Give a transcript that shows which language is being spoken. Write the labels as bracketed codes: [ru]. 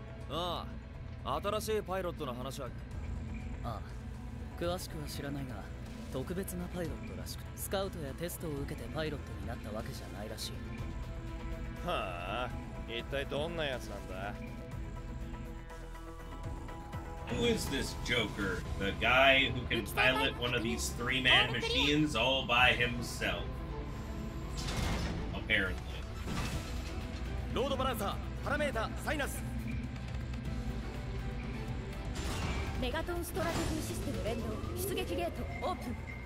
[ja] ああ、新しいパイロットの話は。ああ、詳しくは知らないが、特別なパイロットらしく、スカウトやテストを受けてパイロットになったわけじゃないらしい。はあ、一体どんなやつなんだ? [en] Who is this Joker? The guy who can pilot one of these three-man machines all by himself. Apparently. [ja] ロードバランサー、パラメータ、サイナス。メガトンストラテジーシステム連動、出撃ゲートオープン。